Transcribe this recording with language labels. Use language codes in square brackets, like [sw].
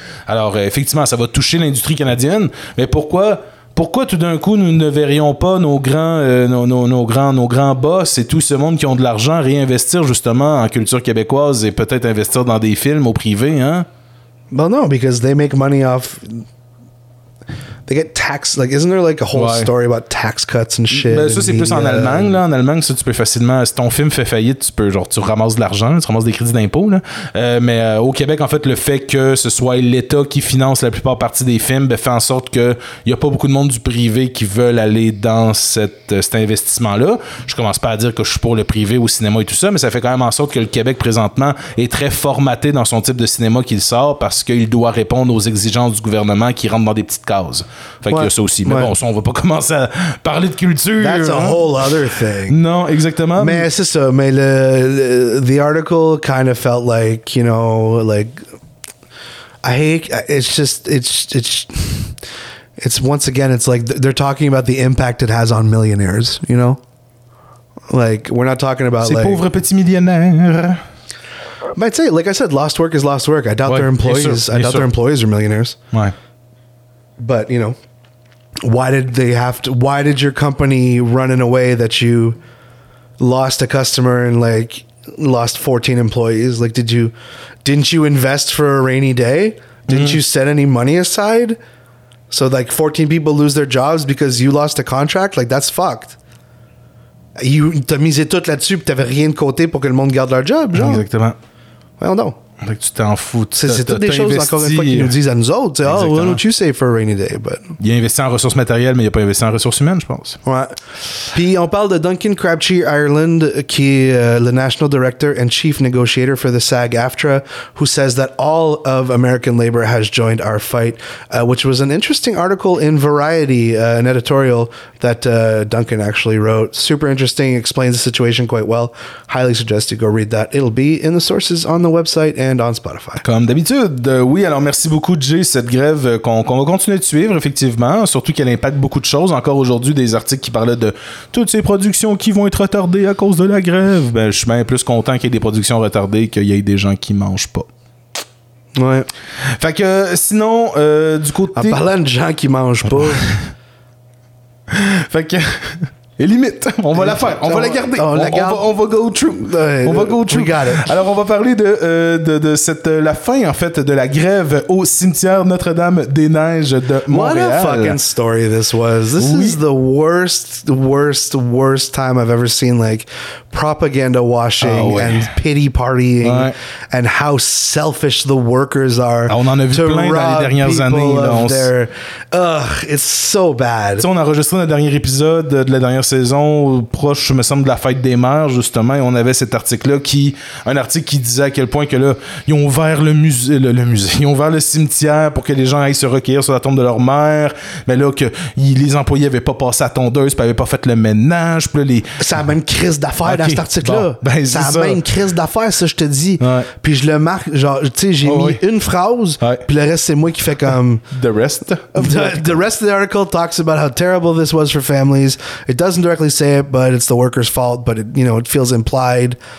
[fr] Alors effectivement, ça va toucher l'industrie canadienne, mais pourquoi tout d'un coup nous ne verrions pas nos grands boss et tout ce monde qui ont de l'argent réinvestir justement en culture québécoise et peut-être investir dans des films au privé, hein? [en] Well, no, because they make money off. They get tax, like, isn't there like a whole story about tax cuts and shit? [fr] Ben, ça, c'est plus en Allemagne, là. En Allemagne, ça, tu peux facilement, si ton film fait faillite, tu ramasses de l'argent, tu ramasses des crédits d'impôt, là. Mais au Québec, en fait, le fait que ce soit l'État qui finance la plupart partie des films, ben, fait en sorte qu'il n'y a pas beaucoup de monde du privé qui veulent aller dans cet investissement-là. Je commence pas à dire que je suis pour le privé au cinéma et tout ça, mais ça fait quand même en sorte que le Québec, présentement, est très formaté dans son type de cinéma qu'il sort parce qu'il doit répondre aux exigences du gouvernement qui rentrent dans des petites cases. Fait qu'il y a ça aussi. Mais bon, ça, on va pas commencer à parler de culture. [en] That's a whole other thing. [fr] Non, exactement. Mais c'est ça. [en] Mais the article kind of felt like, you know, like, I hate, it's just, it's once again, it's like, they're talking about the impact it has on millionaires, you know? Like, we're not talking about, [fr] ces pauvres petits millionnaires. [en] But I'd say, like I said, lost work is lost work. I doubt their employees, their employees are millionaires. [fr] Ouais. [en] But, you know, why did your company run in a way that you lost a customer and, like, lost 14 employees? Like, didn't you invest for a rainy day? Didn't you set any money aside? So, like, 14 people lose their jobs because you lost a contract? Like, that's fucked. You [fr] t'as misé tout là-dessus, puis t'avais rien de côté pour que le monde garde leur job, genre. Exactement. [en] Well, no. [fr] Fait que tu t'en fous. C'est toutes des choses, encore une fois, qu'ils nous disent à nous autres. [en] Oh, what would you say for a rainy day? But... [fr] Il a investi en ressources matérielles, mais il n'a pas investi en ressources humaines, je pense. Ouais. Puis on parle de Duncan Crabtree Ireland, qui est le [en] National Director and Chief Negotiator for the SAG-AFTRA, who says that all of American labor has joined our fight, which was an interesting article in Variety, an editorial that Duncan actually wrote. Super interesting, explains the situation quite well. Highly suggest you go read that. It'll be in the sources on the website and on Spotify. [fr] Comme d'habitude, oui, alors merci beaucoup, Jay, cette grève qu'on va continuer de suivre, effectivement, surtout qu'elle impacte beaucoup de choses. Encore aujourd'hui, des articles qui parlaient de toutes ces productions qui vont être retardées à cause de la grève. Ben, je suis même plus content qu'il y ait des productions retardées qu'il y ait des gens qui mangent pas. Ouais. Fait que, sinon, du côté... En parlant de gens qui mangent pas... fait que... Et limite, on va la faire, on va la garder. On va [en] go through. We got it. [fr] Alors, on va parler de la fin, en fait, de la grève au cimetière Notre-Dame-des-Neiges de Montréal. [en] What a fucking story this was. This is the worst time I've ever seen, like, propaganda washing and pity partying and how selfish the workers are. [fr] Ah, on en a vu plein dans les dernières années. [en] It's so bad. [fr] T'sais, on a enregistré notre dernier épisode de la dernière saison proche, me semble, de la fête des mères, justement, et on avait cet article-là qui disait à quel point que là, ils ont ouvert le cimetière pour que les gens aillent se recueillir sur la tombe de leur mère, mais là, que les employés n'avaient pas passé la tondeuse puis n'avaient pas fait le ménage. Puis là, ça a même crise d'affaires dans cet article-là. Bon, ben, ça a même crise d'affaires, ça, je te dis. Ouais. Puis je le marque, genre, tu sais, j'ai mis une phrase, puis le reste, c'est moi qui fais comme... [en] The rest? The rest of the article talks about how terrible this was for families. It doesn't directly say it, but it's the workers' fault, but it, you know, it feels implied.